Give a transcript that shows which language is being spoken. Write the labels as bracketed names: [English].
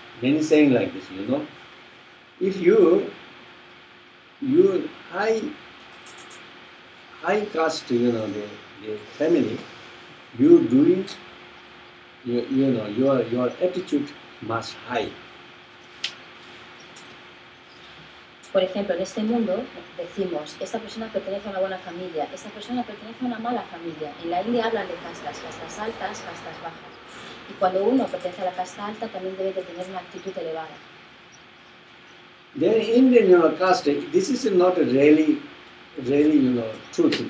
[English] Many saying like this, you know. If you high caste, you know, the family, you doing, you know, your attitude must high. [Spanish] Por ejemplo, en este mundo decimos, esta persona pertenece a una buena familia, esta persona pertenece a una mala familia. En la India hablan de castas, castas altas, castas bajas. Y cuando uno pertenece a la casta alta, también debe de tener una actitud elevada. [English] Then Indian, you know, caste, this is not really, really, you know, truth.